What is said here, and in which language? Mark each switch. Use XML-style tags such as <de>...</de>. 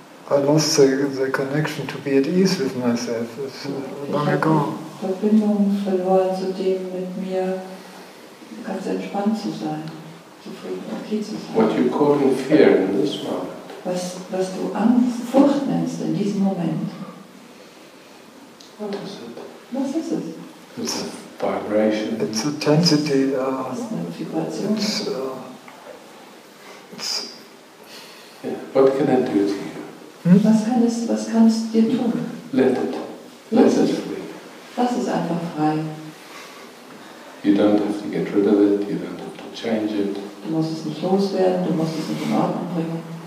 <en>I lost the connection to be at ease with myself. It's long ago.</en> <de>Verbindung verloren zu dem, mit mir ganz entspannt zu sein, zufrieden, okay zu sein.</de> <en>What you call in fear in this moment?</en> <de>Was du Angst, Furcht nennst in diesem Moment?</de> <en>What is it?</en> <de>Was ist es?</de> <en>It's a vibration. It's a tensity.</en> <de>Es ist eine Vibration.</de> <en>It's yeah. What can I do to you?</en> <de>Was kann es dir tun?</de> <en>Let it free.</en> <de>Lass es einfach frei.</de> <en>You don't have to get rid of it, you don't have to change it.</en> <de>Du musst es nicht loswerden, du musst es nicht in Ordnung bringen.</de>